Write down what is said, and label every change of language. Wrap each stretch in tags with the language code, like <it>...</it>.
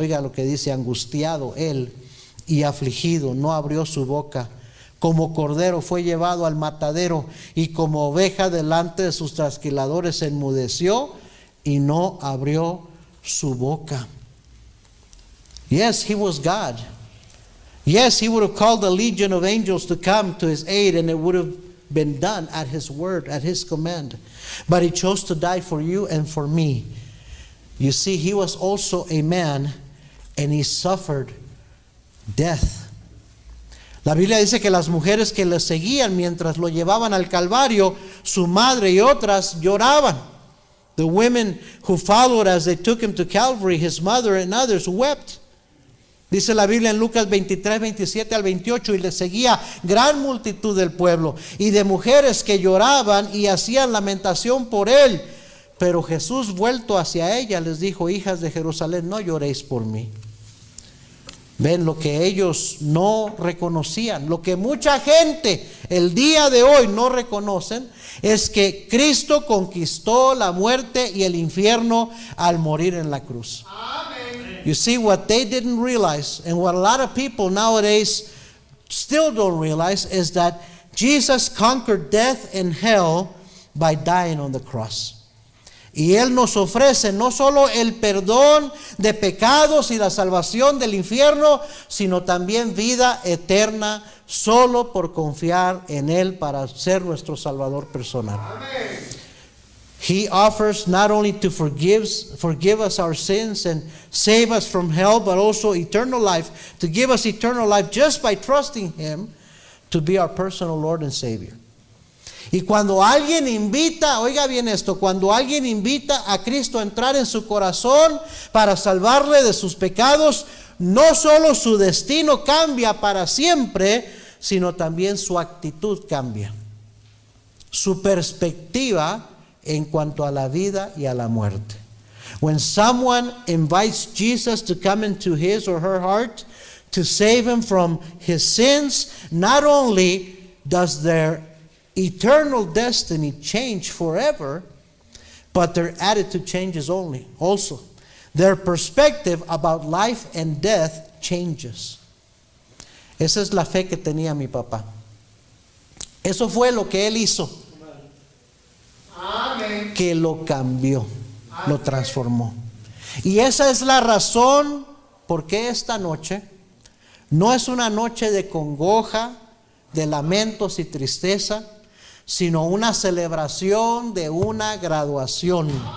<es>Oiga lo que dice, angustiado él y afligido, no abrió su boca. Como cordero fue llevado al matadero y como oveja delante de sus trasquiladores enmudeció y no abrió su boca.</es> <en>Yes, he was God. Yes, he would have called a legion of angels to come to his aid and it would have been done at his word, at his command. But he chose to die for you and for me. You see, he was also a man and he suffered death.</en> <es>La Biblia dice que las mujeres que le seguían mientras lo llevaban al Calvario, su madre y otras lloraban.</es> <en>The women who followed as they took him to Calvary, his mother and others wept.</en> <es>Dice la Biblia en Lucas 23, 27 al 28, y le seguía gran multitud del pueblo y de mujeres que lloraban y hacían lamentación por él. Pero Jesús, vuelto hacia ella, les dijo, hijas de Jerusalén, no lloréis por mí. Ven lo que ellos no reconocían, lo que mucha gente el día de hoy no reconocen, es que Cristo conquistó la muerte y el infierno al morir en la cruz. Amen.</es> <en>You see, what they didn't realize and what a lot of people nowadays still don't realize is that Jesus conquered death and hell by dying on the cross.</en> <es>Y Él nos ofrece no solo el perdón de pecados y la salvación del infierno, sino también vida eterna solo por confiar en Él para ser nuestro Salvador personal. Amén.</es> <en>He offers not only to forgive us our sins and save us from hell, but also eternal life, to give us eternal life just by trusting Him to be our personal Lord and Savior.</en> <es>Y cuando alguien invita, oiga bien esto, cuando alguien invita a Cristo a entrar en su corazón para salvarle de sus pecados, no solo su destino cambia para siempre, sino también su actitud cambia. su perspectiva en cuanto a la vida y a la muerte.</es> <en>When someone invites Jesus to come into his or her heart to save him from his sins, not only does their eternal destiny change forever, but their attitude changes only. Also, their perspective about life and death changes.</en> <es>Esa es la fe que tenía mi papá. Eso fue lo que él hizo. Amén. Que lo cambió. Lo transformó. Y esa es la razón por qué esta noche no es una noche de congoja, de lamentos y tristeza, sino una celebración de una graduación.</es>